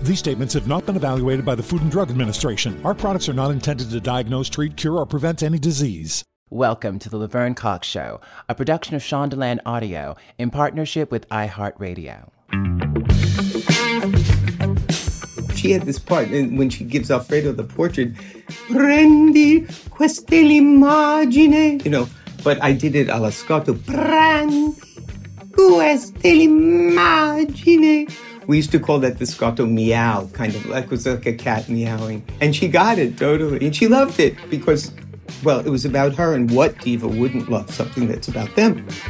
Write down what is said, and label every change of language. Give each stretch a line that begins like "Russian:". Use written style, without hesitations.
English: These statements have not been evaluated by the Food and Drug Administration. Our products are not intended to diagnose, treat, cure, or prevent any disease. Welcome to the Laverne Cox Show, a production of Shondaland Audio in partnership with iHeartRadio. She had this part when she gives Alfredo the portrait.
Italian: Prendi queste immagini.
English: You know, but I did it a la Scotto.
Italian: Prendi queste immagini.
English: We used to call that the Scotto meow, kind of like it was like a cat meowing. And she got it totally. And she loved it because, well, it was about her, and what diva wouldn't love something that's about them?